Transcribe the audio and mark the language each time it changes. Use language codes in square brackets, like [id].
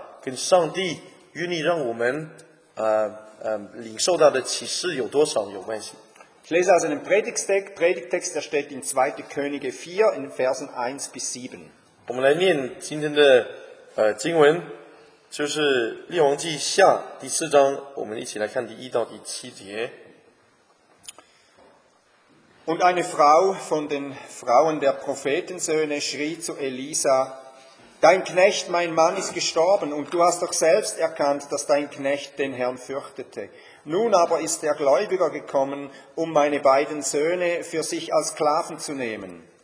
[zh] 我们今天的经文就会告诉我们，就会让我们看到我们的信心有多大，跟上帝愿意让我们。领受到的启示有多少有关系。 [de] Ich lese also den Predigtext, der steht in 2. Könige 4, in Versen 1 bis 7. [zh] 我们来念今天的经文，就是《列王记下》第4章，我们一起来看第1到第7节。 [de] Und eine Frau von den Frauen der Prophetensöhne schrie zu Elisa, Dein Knecht, mein Mann, ist gestorben, und du hast doch selbst erkannt, dass dein Knecht den Herrn fürchtete. Nun aber ist der Gläubiger gekommen, um meine beiden Söhne für sich als Sklaven zu nehmen.